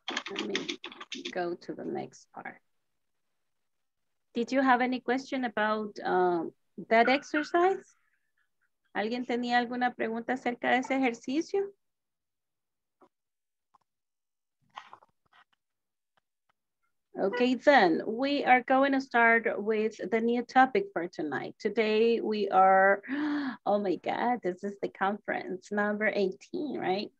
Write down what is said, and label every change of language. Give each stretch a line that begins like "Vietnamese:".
English: Let me go to the next part. Did you have any question about that exercise?
Spanish: ¿Alguien tenía alguna pregunta acerca de ese ejercicio?
English: Okay, then we are going to start with the new topic for tonight. Today we are, oh my God, this is the conference number 18, right?